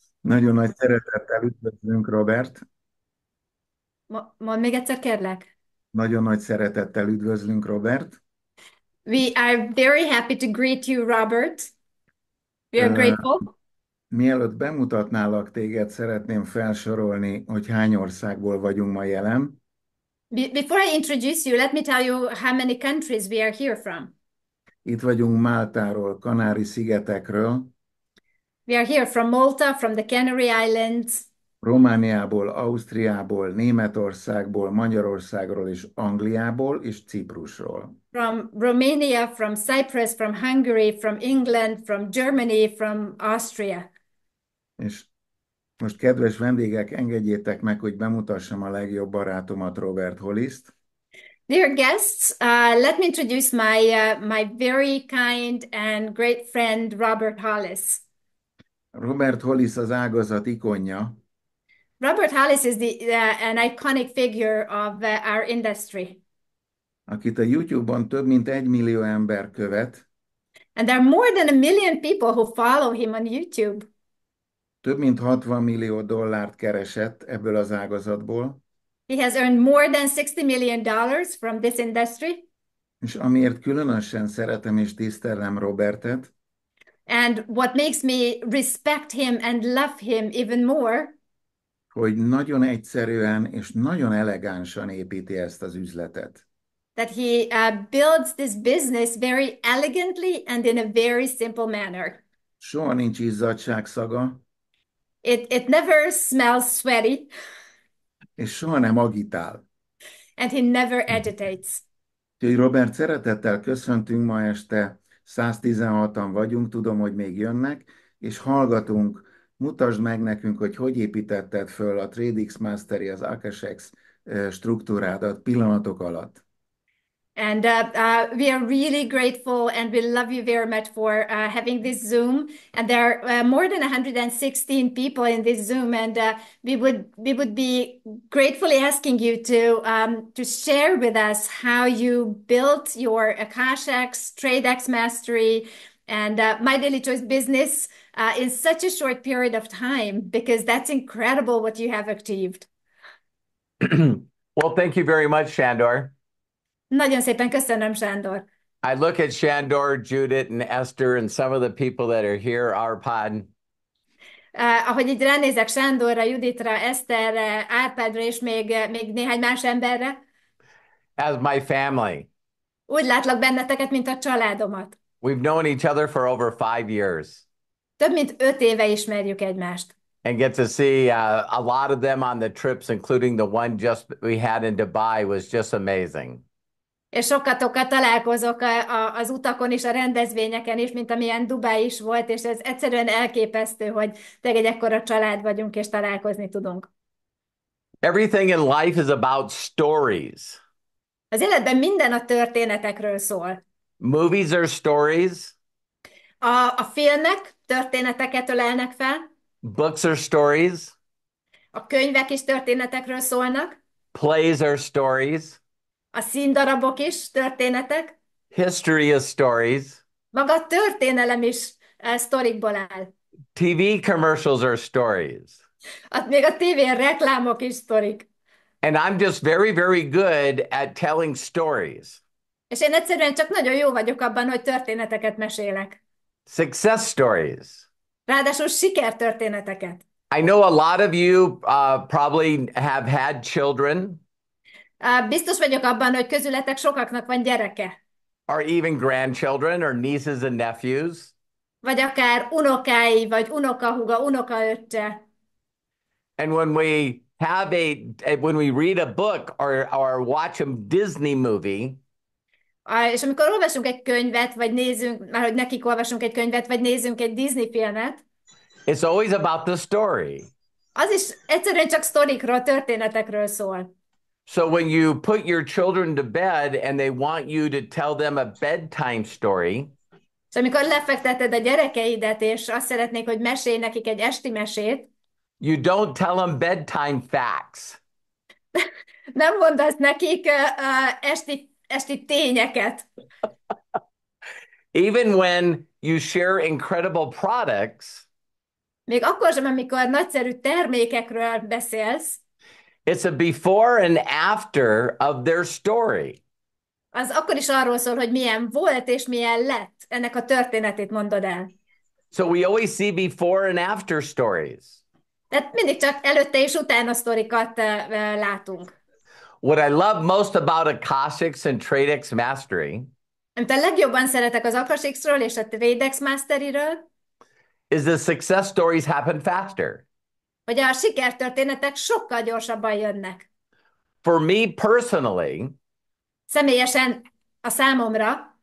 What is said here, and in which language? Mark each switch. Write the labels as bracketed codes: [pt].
[hu] Nagyon nagy szeretettel üdvözlünk, Robert. Mondd még egyszer, kérlek. Nagyon nagy szeretettel üdvözlünk, Robert. [en] We are very happy to greet you, Robert. We are grateful. [hu] Mielőtt bemutatnálak téged, szeretném felsorolni, hogy hány országból vagyunk ma jelen. [en] Before I introduce you, let me tell you how many countries we are here from. [hu] Itt vagyunk Máltáról, Kanári-szigetekről. [en] We are here from Malta, from the Canary Islands. [hu] Romániából, Ausztriából, Németországból, Magyarországról és Angliából és Ciprusról. [en] From Romania, from Cyprus, from Hungary, from England, from Germany, from Austria. [hu] És most, kedves vendégek, engedjétek meg, hogy bemutassam a legjobb barátomat, Robert Holliszt. [en] Dear guests, let me introduce my very kind and great friend, Robert Hollis. [hu] Robert Hollis az ágazat ikonja. [en] Robert Hollis is an iconic figure of our industry. [hu] Akit a YouTube-on több mint 1 millió ember követ. [en] And there are more than a million people who follow him on YouTube. [hu] Több mint 60 millió dollárt keresett ebből az ágazatból. [en] He has earned more than $60 million from this industry. [hu] És amiért különösen szeretem és tisztelem Robertet. [en] And what makes me respect him and love him even more, [hu] Hogy nagyon egyszerűen és nagyon elegánsan építi ezt az üzletet. [en] that he builds this business very elegantly and in a very simple manner. [hu] Soha nincs izzadság szaga. [en] It never smells sweaty. [hu] És soha nem agitál. [en] And he never agitates. [hu] Úgyhogy Robert, szeretettel köszöntünk ma este. 116-an vagyunk, tudom, hogy még jönnek, és hallgatunk. Mutasd meg nekünk, hogy hogy építetted föl a Tradexmastery, az Akashx struktúrádat pillanatok alatt. [en] And we are really grateful and we love you very much for having this Zoom. And there are more than 116 people in this Zoom. And we would be gratefully asking you to share with us how you built your Akashx, Tradexmastery, and My Daily Choice business in such a short period of time, because that's incredible what you have achieved. Well, thank you very much, Shandor. [hu] Nagyon szépen köszönöm, Sándor. [en] I look at Shandor, Judith, and Esther, and some of the people that are here, Arpad. [hu] Ahogy így ránézek Sándorra, Juditra, Eszterre, Árpádra, és még néhány más emberre. [en] As my family. [hu] Úgy látlak benneteket, mint a családomat. [en] We've known each other for over 5 years. [hu] Több mint 5 éve ismerjük egymást. [en] And get to see a lot of them on the trips, including the one just we had in Dubai, was just amazing. [hu] És sokatokat találkozok az utakon is, a rendezvényeken is, mint amilyen Dubái is volt, és ez egyszerűen elképesztő, hogy te egy ekkora család vagyunk, és találkozni tudunk. [en] Everything in life is about stories. [hu] Az életben minden a történetekről szól. [en] Movies are stories. [hu] A filmek történeteket ölelnek fel. [en] Books are stories. [hu] A könyvek is történetekről szólnak. [en] Plays are stories. [hu] A színdarabok is történetek. [en] History is stories. [hu] Maga a történelem is sztorikból áll. [en] TV commercials are stories. [hu] Még a tévén reklámok is sztorik. [en] And I'm just very, very good at telling stories. [hu] És én egyszerűen csak nagyon jó vagyok abban, hogy történeteket mesélek. [en] Success stories. [hu] Ráadásul sikertörténeteket. [en] I know a lot of you probably have had children. [hu] Biztos vagyok abban, hogy közületek sokaknak van gyereke. [en] Or even grandchildren or nieces and nephews. [hu] Vagy akár unokái, vagy unokahúga, unokaöccse. [en] And when we have a, when we read a book or watch a Disney movie. [hu] És amikor olvasunk egy könyvet, vagy nézünk, már hogy nekik olvasunk egy könyvet, vagy nézünk egy Disney filmet. [en] It's always about the story. [hu] Az is egyszerűen csak sztorikról, történetekről szól. [en] So when you put your children to bed and they want you to tell them a bedtime story. [hu] És amikor lefekteted a gyerekeidet, és azt szeretnék, hogy mesélj nekik egy esti mesét. [en] You don't tell them bedtime facts. [hu] Nem mondasz nekik esti tényeket. [en] Even when you share incredible products. [hu] Még akkor sem, amikor nagyszerű termékekről beszélsz. [en] It's a before and after of their story. [hu] Az akkor is arról szól, hogy milyen volt és milyen lett. Ennek a történetét mondod el. [en] So we always see before and after stories. [hu] Tehát mindig csak előtte és utána sztorikat látunk. [en] What I love most about Akashix and Tradex Mastery, [hu] amit a legjobban szeretek az Akashixról és a Tradex Masteryről, [en] is the success stories happen faster. [hu] Hogy a sikertörténetek sokkal gyorsabban jönnek. [en] For me personally, [hu] Személyesen a számomra